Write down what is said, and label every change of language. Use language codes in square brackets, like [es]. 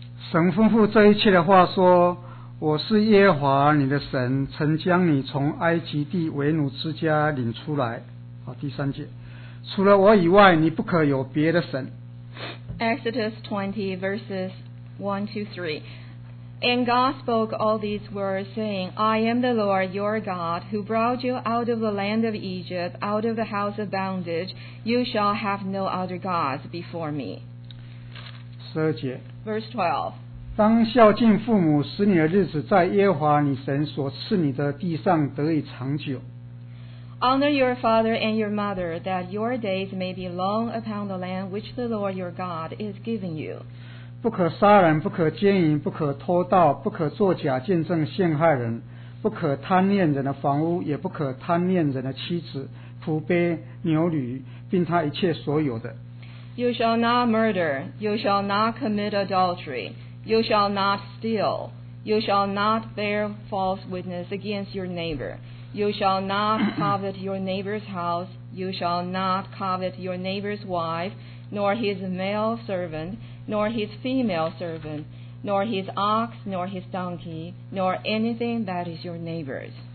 [zh] 神吩咐这一切的话说， 我是耶和华你的神， 曾将你从埃及地为奴之家领出来。第三节， 除了我以外， 你不可有别的神。 [en] Exodus 20 verses 1-3. And God spoke all these words, saying, I am the Lord your God, who brought you out of the land of Egypt, out of the house of bondage. You shall have no other gods before me. [zh] 十二节， [en] verse 12. [zh] 当孝敬父母， 使你的日子在耶和华你神所赐你的地上得以长久。 [en] Honor your father and your mother, that your days may be long upon the land which the Lord your God is giving you. [zh] 不可杀人， 不可奸淫， 不可偷盗， 不可作假见证陷害人， 不可贪恋人的房屋， 也不可贪恋人的妻子， 仆婢， 牛驴， 并他一切所有的。 [en] You shall not murder, you shall not commit adultery, you shall not steal, you shall not bear false witness against your neighbor, you shall not covet your neighbor's house, you shall not covet your neighbor's wife, nor his male servant, nor his female servant, nor his ox, nor his donkey, nor anything that is your neighbor's.